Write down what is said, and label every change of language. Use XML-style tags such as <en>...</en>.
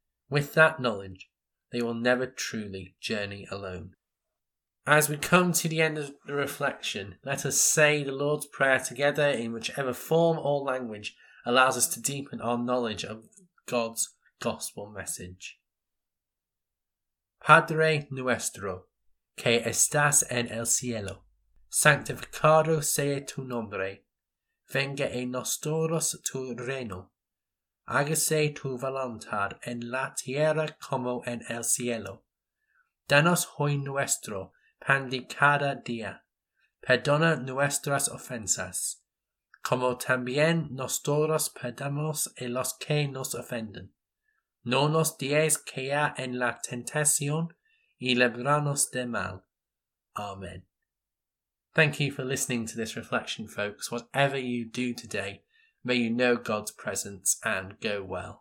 <en>With that knowledge, they will never truly journey alone. As we come to the end of the reflection, let us say the Lord's Prayer together in whichever form or language allows us to deepen our knowledge of God's gospel message.</en> <es>Padre nuestro, que estás en el cielo, sanctificado sea tu nombre, venga a nosotros tu reino, hágase tu voluntad en la tierra como en el cielo. Danos hoy nuestro pan de cada día, perdona nuestras ofensas, como también nosotros perdamos a los que nos ofenden. No nos dejes caer en la tentación y líbranos del mal.</es> <en>Amen. Thank you for listening to this reflection, folks. Whatever you do today, may you know God's presence and go well.</en>